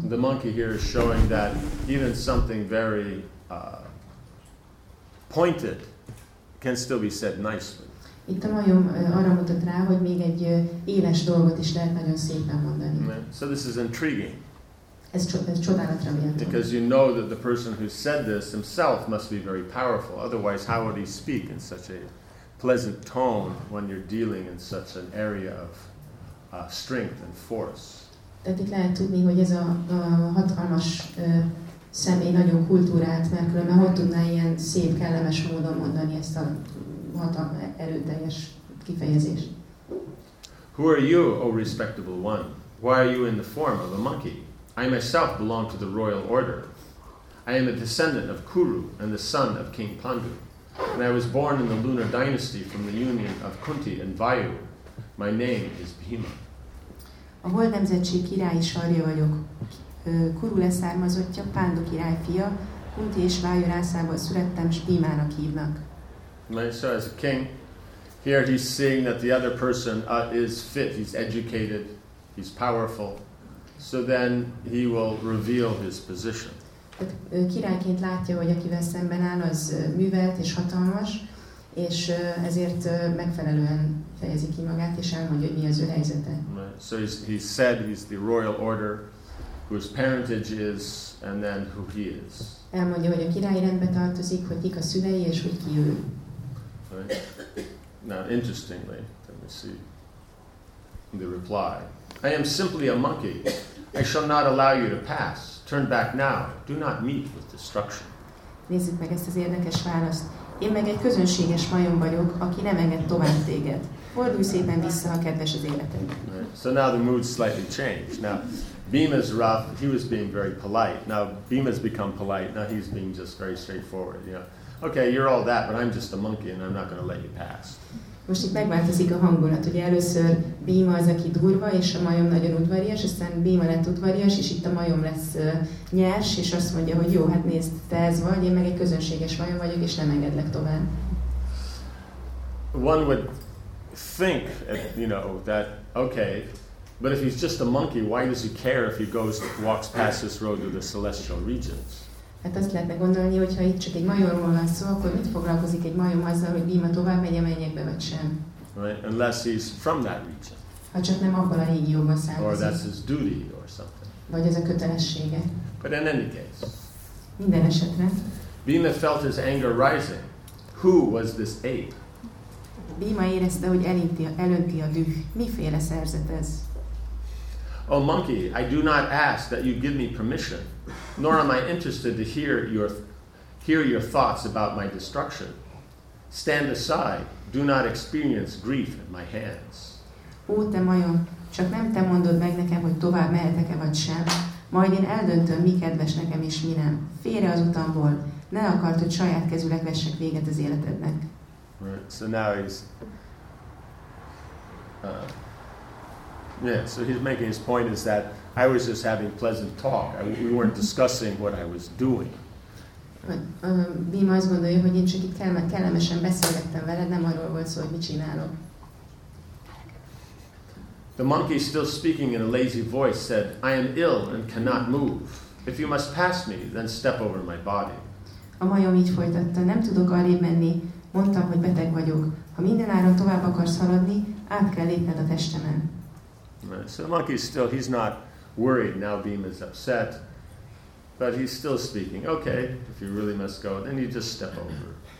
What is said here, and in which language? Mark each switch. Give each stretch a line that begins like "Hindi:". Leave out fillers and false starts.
English: The monkey here is showing that even something very pointed can still be said nicely.
Hungarian: Itt a majom arra mutat rá, hogy még egy éles dolgot is lehet nagyon szépen mondani.
English: So this is intriguing.
Hungarian: Ez csodálatra méltó.
English: Because you know that the person who said this himself must be very powerful. Otherwise, how would he speak in such a pleasant tone when you're dealing in such an area of strength and force?
Hungarian: Tehát itt lehet tudni, hogy ez a hatalmas személy nagyon kultúrált, mert különben hogy tudná ilyen szép, kellemes módon mondani ezt a hatalmas, erőteljes kifejezést.
English: Who are you, O respectable one? Why are you in the form of a monkey? I myself belong to the royal order. I am a descendant of Kuru and the son of King Pandu. And I was born in the lunar dynasty from the union of Kunti and Vayu. My name is Bhima.
Hungarian: A hold nemzetség királyi sarja vagyok. Kuru leszármazottja, Pandu király fia, Kunti és Vayu rászából születtem, és Bhimának hívnak.
English: So as a king, here he's seeing that the other person is fit, he's educated, he's powerful. So then he will reveal his position.
Hungarian: Királyként látja, hogy akivel szemben áll, az művelt és hatalmas, és ezért megfelelően fejezi ki magát, és elmondja, hogy mi az ő helyzete.
English: So he said he's the royal order, whose parentage is, and then who he is.
Hungarian: Elmondja, hogy a királyi rendbe tartozik, hogy kik a szülei, és hogy ki ő.
English: Now, interestingly, let me see the reply. I am simply a monkey. I shall not allow you to pass. Turn back now. Do not meet with destruction.
Hungarian: Nézzük meg ezt az érdekes választ. Én meg egy közönséges majom vagyok, aki nem enged tovább téged. Fordulj szépen vissza, ha kedves az életed.
English: Right. So now the mood slightly changed. Now, Bhima's rough. He was being very polite. Now, Bhima's become polite. Now, he's being just very straightforward. You know, okay, you're all that, but I'm just a monkey and I'm not going to let you pass.
Hungarian: Most itt megváltozik a hangulat, ugye először Bhima az, aki durva, és a majom nagyon udvarias, aztán Bhima lett udvarias, és itt a majom lesz nyers, és azt mondja, hogy jó, hát nézd, te ez vagy, én meg egy közönséges majom vagyok, és nem engedlek tovább.
English: One would think, you know, that, okay, but if he's just a monkey, why does he care if he goes, walks past this road to the celestial regions?
Hungarian: Hát azt lehetne gondolni, hogyha itt csak egy majomról van szó, akkor mit foglalkozik egy majom azzal, hogy Bhima tovább megy a mennyekbe, vagy sem?
English: Right, unless he's from that region.
Hungarian: Ha csak nem abban a régióban származik.
English: Or that's his duty or something.
Hungarian: Vagy ez a kötelessége.
English: But in any case.
Hungarian: Minden esetre.
English: Bhima felt his anger rising. Who was this ape?
Hungarian: Bhima érezte, hogy elönti a düh. Miféle szerzet ez?
English: Oh monkey, I do not ask that you give me permission, nor am I interested to hear your thoughts about my destruction. Stand aside, do not experience grief at my hands.
Hungarian: Ó, te majom, csak nem te mondod meg nekem, hogy tovább mehetek-e vagy sem, majd én eldöntöm, mi kedves nekem és mi nem. Félre az utamból, ne akart, hogy saját kezüleg vessek véget az életednek.
English: Right, so now he's... Yeah, so he's making his point is that I was just having pleasant talk. We weren't discussing what I was doing.
Hungarian: Bhima azt gondolja, hogy én csak itt kellemesen beszélgettem veled, nem arról volt szó, hogy mit csinálok.
English: The monkey, still speaking in a lazy voice, said, I am ill and cannot move. If you must pass me, then step over my body.
Hungarian: A majom így folytatta, nem tudok arrébb menni. Mondtam, hogy beteg vagyok. Ha mindenáron tovább akarsz haladni, át kell lépned a testemen.
English: So the monkey still, he's not worried, now Bhima's upset, but he's still speaking, okay, if you really must go, then you just step over.